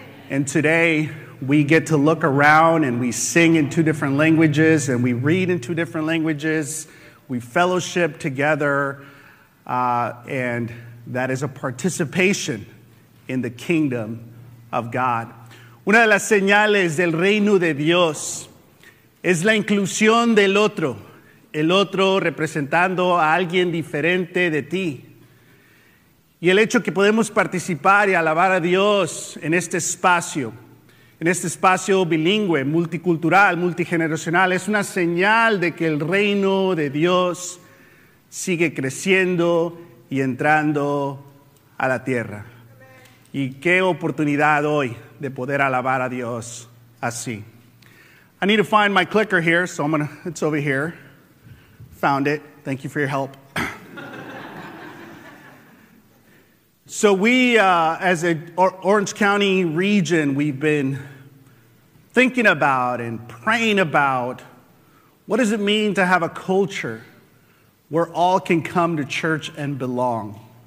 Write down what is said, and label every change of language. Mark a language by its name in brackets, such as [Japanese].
[English] And today, we get to look around and we sing in two different languages and we read in two different languages. We fellowship together, and that is a participation in the kingdom of God. [Spanish] Una de las señales del reino de Dios es la inclusión del otro, el otro representando a alguien diferente de ti. Y el hecho que podemos participar y alabar a Dios en este espacio bilingüe, multicultural, multigeneracional, es una señal de que el reino de Dios sigue creciendo y entrando a la tierra. Y qué oportunidad hoy de poder alabar a Dios así. [English] I need to find my clicker here, so I'm gonna, it's over here. Found it. Thank you for your help. So we, as an Orange County region, we've been thinking about and praying about what does it mean to have a culture where all can come to church and belong.